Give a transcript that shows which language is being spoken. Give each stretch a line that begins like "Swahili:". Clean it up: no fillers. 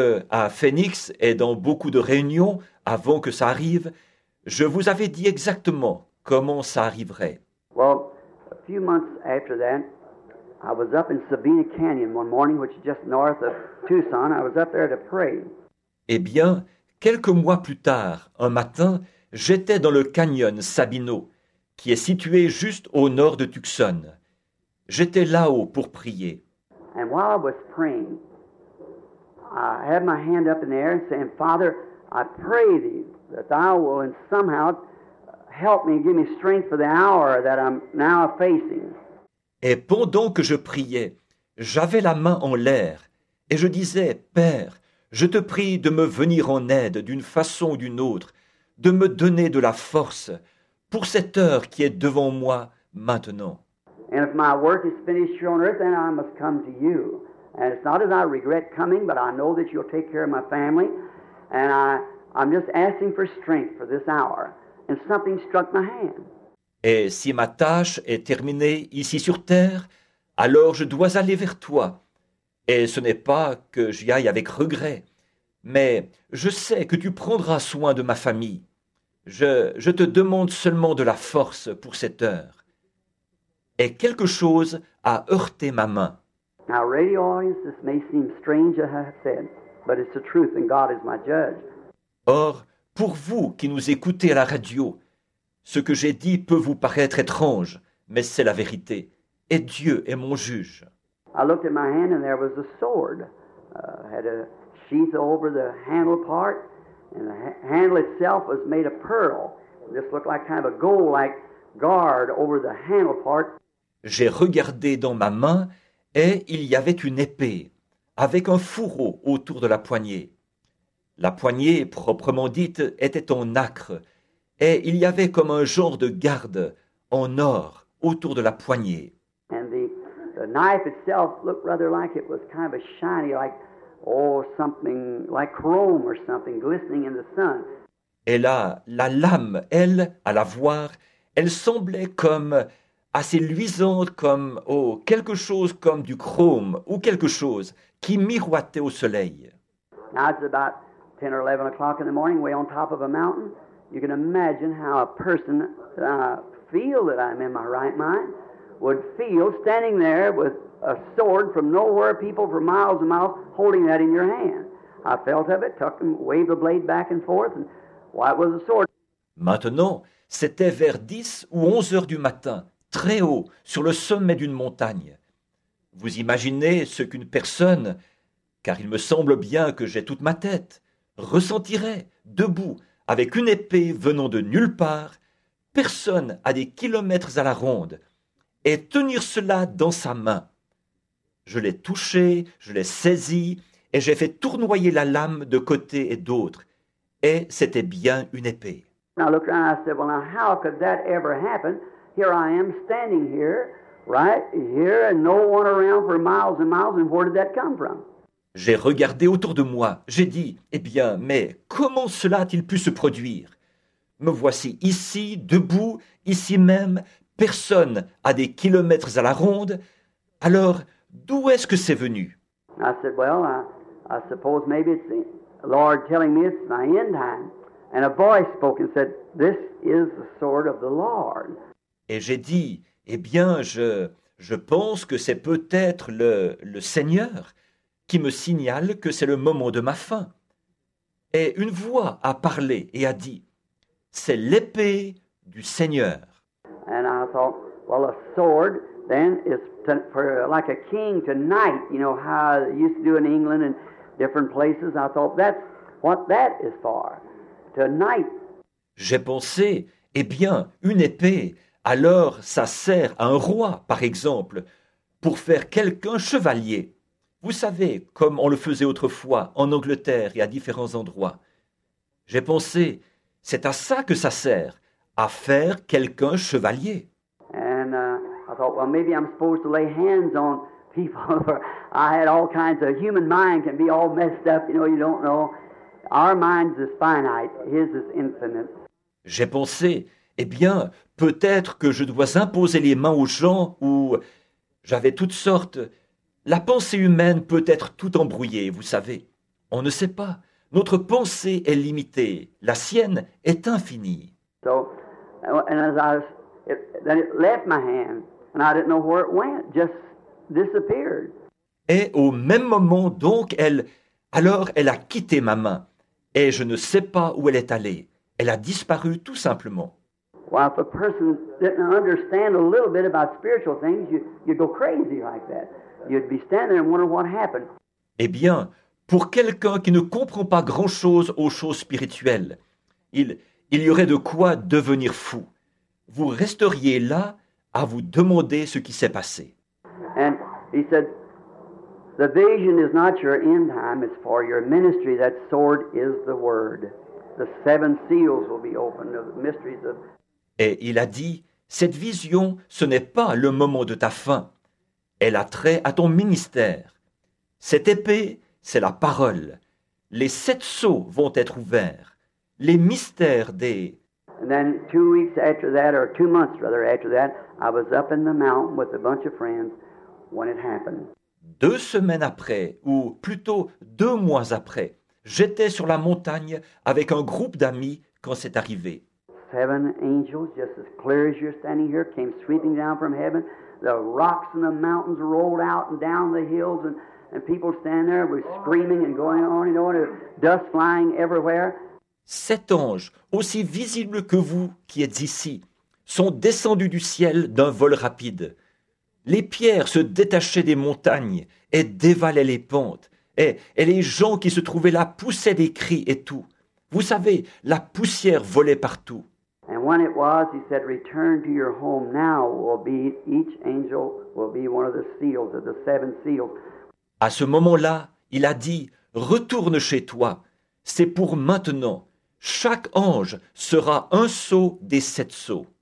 French: À Phoenix et dans beaucoup de réunions avant que ça arrive, je vous avais dit exactement comment ça arriverait.
English: Well, a few months after that, I was up in Sabina Canyon one morning, which is just north of Tucson. I was up there to pray.
French: Eh bien, quelques mois plus tard, un matin, j'étais dans le canyon Sabino, qui est situé juste au nord de Tucson. J'étais là-haut pour prier.
English: And while I was praying, I had my hand up in the air and saying, Father, I pray thee that thou will somehow help me and give me strength for the hour that I'm now facing.
French: Et pendant que je priais, j'avais la main en l'air et je disais, Père, je te prie de me venir en aide d'une façon ou d'une autre, de me donner de la force pour cette heure qui est devant moi maintenant.
English: And if my work is finished here on earth, then I must come to you. And it's not as I regret coming, but I know that you'll take care of my family. And I'm just asking for strength for this hour. And something struck my hand.
French: Et si ma tâche est terminée ici sur terre, alors je dois aller vers toi. Et ce n'est pas que j'y aille avec regret, mais je sais que tu prendras soin de ma famille. Je te demande seulement de la force pour cette heure. Et quelque chose a heurté ma main.
English: Now, radio audience, this may seem strange, as I have said, but it's the truth, and God is my judge.
French: Or, pour vous qui nous écoutez à la radio, ce que j'ai dit peut vous paraître étrange, mais c'est la vérité. Et Dieu est mon juge.
English: I looked at my hand and there was a sword. Had a sheath over the handle part, and the handle itself was made of pearl. This looked like kind of a gold-like guard over the handle part.
French: J'ai regardé dans ma main et il y avait une épée avec un fourreau autour de la poignée. La poignée, proprement dite, était en nacre. Et il y avait comme un genre de garde en or autour de la poignée.
English: And the knife itself looked rather like it was kind of a shiny, like, oh, something like chrome or something glistening in the sun.
French: Et là, la lame, elle, à la voir, elle semblait comme assez luisante, comme, oh, quelque chose comme du chrome ou quelque chose qui miroitait au soleil.
English: Now it's about 10 or 11 o'clock in the morning, way on top of a mountain. You can imagine how a person feel that I'm in my right mind would feel standing there with a sword from nowhere, people for miles and miles holding that in your hand. I felt of it, tucked and waved the blade back and forth, and why it was a sword.
French: Maintenant, c'était vers 10 ou 11 heures du matin, très haut, sur le sommet d'une montagne. Vous imaginez ce qu'une personne, car il me semble bien que j'ai toute ma tête, ressentirait, debout, avec une épée venant de nulle part, personne à des kilomètres à la ronde, et tenir cela dans sa main. Je l'ai touché, je l'ai saisi, et j'ai fait tournoyer la lame de côté et d'autre, et c'était bien une épée.
English: I looked around and I said, well, now, how could that ever happen? Here I am standing here, right here, and no one around for miles and miles, and where did that come from?
French: J'ai regardé autour de moi. J'ai dit, eh bien, mais comment cela a-t-il pu se produire? Me voici ici, debout, ici même, personne à des kilomètres à la ronde. Alors, d'où est-ce que c'est venu?
English: I said, well, I suppose maybe it's the Lord telling me it's my end time. And a voice spoke and said, this is the sword of the Lord.
French: Et j'ai dit, eh bien, je pense que c'est peut-être le Seigneur qui me signale que c'est le moment de ma fin. Et une voix a parlé et a dit, c'est l'épée du Seigneur.
English: And I thought, well, a sword then is for like a king to knight, you know, how they used to do in England and different places. I thought, that's what that is for. Tonight.
French: J'ai pensé, eh bien, une épée, alors ça sert à un roi, par exemple, pour faire quelqu'un chevalier. Vous savez, comme on le faisait autrefois en Angleterre et à différents endroits. J'ai pensé, c'est à ça que ça sert, à faire quelqu'un chevalier.
English: And I thought, well, maybe I'm supposed to lay hands on people. I had all kinds of human mind can be all messed up, you know, you don't know. Our minds is finite, his is infinite.
French: J'ai pensé, eh bien, peut-être que je dois imposer les mains aux gens ou j'avais toutes sortes. La pensée humaine peut être tout embrouillée, vous savez. On ne sait pas. Notre pensée est limitée. La sienne est infinie.
English: So, and as I was, then it left my hand, and I didn't know where it went. Just disappeared.
French: Et au même moment, donc, alors, elle a quitté ma main, et je ne sais pas où elle est allée. Elle a disparu tout simplement.
English: Well, if a person didn't understand a little bit about spiritual things, you'd go crazy like that. You'd be standing there and wondering what happened.
French: Eh bien, pour quelqu'un qui ne comprend pas grand-chose aux choses spirituelles, il y aurait de quoi devenir fou. Vous resteriez là à vous demander ce qui s'est passé.
English: And he said, the vision is not your end time, it's for your ministry. That sword is the word. The seven seals will be opened of the mysteries of...
French: Et il a dit, cette vision, ce n'est pas le moment de ta fin. Elle a trait à ton ministère. Cette épée, c'est la parole. Les sept sceaux vont être ouverts. Les mystères des...
English: And then 2 weeks after that, or 2 months rather after that, I was up in the mountain with a bunch of friends when it happened.
French: 2 semaines après, ou plutôt 2 mois après, j'étais sur la montagne avec un groupe d'amis quand c'est arrivé.
English: 7 angels, just as clear as you're standing here, came sweeping down from heaven. The rocks and the mountains rolled out and down the hills, and people stand there were screaming and going on and on, and dust flying everywhere.
French: 7 anges, aussi visibles que vous qui êtes ici, sont descendus du ciel d'un vol rapide. Les pierres se détachaient des montagnes et dévalaient les pentes. Et les gens qui se trouvaient là poussaient des cris et tout. Vous savez, la poussière volait partout.
English: And when it was, he said, return to your home now. Will be, each angel will be one of the seals, of the 7 seals.
French: À ce moment-là, il a dit, retourne chez toi. C'est pour maintenant. Chaque ange sera un sceau des 7 sceaux.